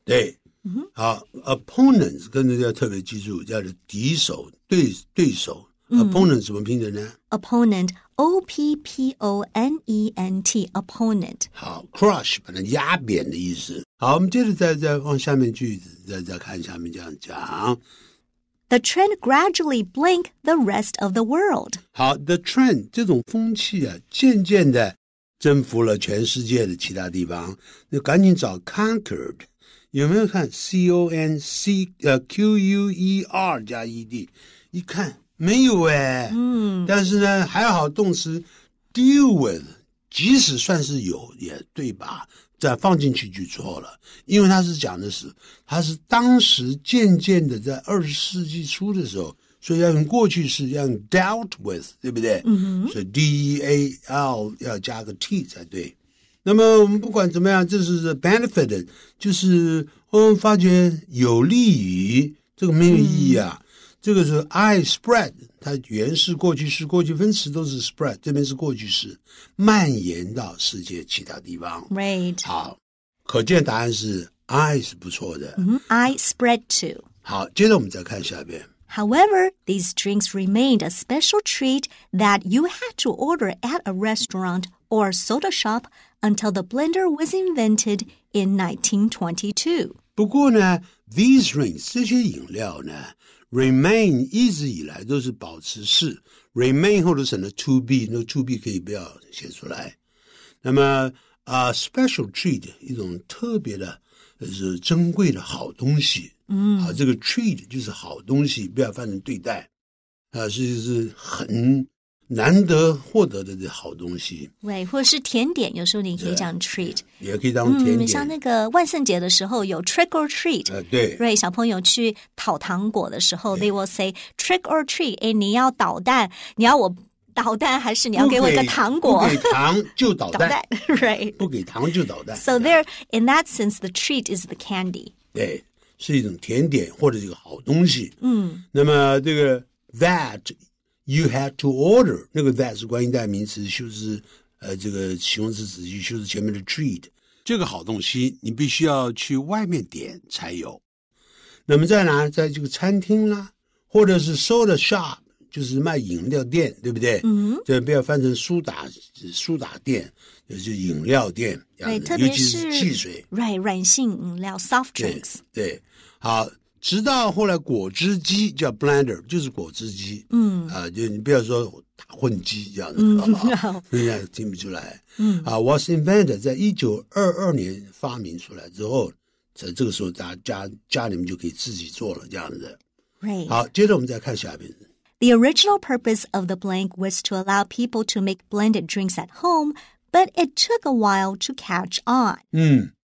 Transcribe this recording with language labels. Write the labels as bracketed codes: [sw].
[zh] 对。好 ,opponents, 跟大家特别记住叫做敌手 对手。 Opponent 怎么拼的呢 [en] ?Opponent, O-P-P-O-N-E-N-T, opponent. [zh] 好 ,crush, 把它压扁的意思。好我们接着再往下面句子再看下面这样讲。 [en] The trend gradually blank the rest of the world. [zh] 好 ,the trend, 这种风气啊渐渐的征服了全世界的其他地方。就赶紧找 conquered。有没有看 ,C-O-N-C-Q-U-E-R 加 E-D。一看。没有哎、但是呢还好动词 deal with 即使算是有也对吧再放进去就错了因为他是讲的是他是当时渐渐的在二十世纪初的时候所以要用过去式要用 dealt with 对不对、所以 D-E-A-L 要加个 T 才对那么我们不管怎么样这是 benefited 就是我们发觉有利于这个没有意义啊、这个是 I spread 它原是过去式过去分词都是 spread 这边是过去式蔓延到世界其他地方 [en] Right [zh] 好可见答案是 I 是不错的、 [en] I spread to [zh] 好接着我们再看下边 [en] However, these drinks remained a special treat that you had to order at a restaurant or soda shop until the blender was invented in 1922 [zh] 不过呢 these drinks 这些饮料呢Remain 一直以来都是保持式 Remain 或者省了 to be 那 to be 可以不要写出来那么、special treat 一种特别的是珍贵的好东西、这个 treat 就是好东西不要犯成对待、是很难得获得的好东西。对，或者是甜点，有时候你可以讲 treat，也可以当甜点。嗯，像那个万圣节的时候有 trick or treat，对， right， 小朋友去讨糖果的时候 [en] they will say trick or treat， [zh] 哎，你要捣蛋，你要我捣蛋还是你要给我一个糖果？不给糖就捣蛋。捣蛋 right，不给糖就捣蛋。 [en] So there, in that sense, the treat is the candy。 [zh] 对，是一种甜点或者一个好东西。嗯，那么这个 [en] that you had to order， [zh] 那个 that 是关系代名词，修饰这个形容词子句修饰前面的 treat。这个好东西你必须要去外面点才有。那么在哪？在这个餐厅啦，或者是 soda shop。就是卖饮料店，对不对？嗯，这不要翻成苏打店，就是饮料店，对，尤其是汽水，right， 软性饮料 ，soft drinks，对。好，直到后来果汁机叫 blender， 就是果汁机，嗯，啊，就你不要说打混机这样子，人家听不出来，嗯，啊 ，was invented 在1922年发明出来之后，在这个时候家里面就可以自己做了这样子 [en] ，right。 [zh] 好，接着我们再看下一篇。 [en] The original purpose of the blank was to allow people to make blended drinks at home, but it took a while to catch on.